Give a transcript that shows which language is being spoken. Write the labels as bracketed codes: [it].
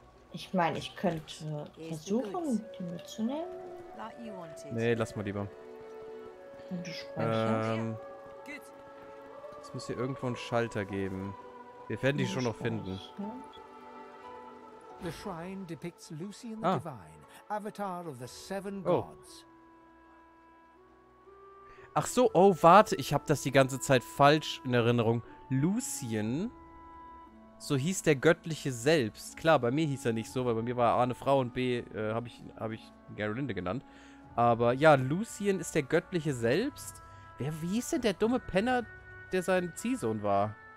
[de] Ich meine, ich könnte versuchen, die mitzunehmen. Nee, lass mal lieber. Es muss hier irgendwo einen Schalter geben. Wir werden die schon noch finden. [en] The shrine depicts Lucy and the Divine, Avatar of the Seven Gods. [de] Ach so, oh, warte, ich habe das die ganze Zeit falsch in Erinnerung. Lucien, so hieß der Göttliche selbst. Klar, bei mir hieß er nicht so, weil bei mir war A eine Frau und B habe ich Gerlinde genannt. Aber ja, Lucien ist der Göttliche selbst. Wie hieß denn der dumme Penner, der sein Ziehsohn war?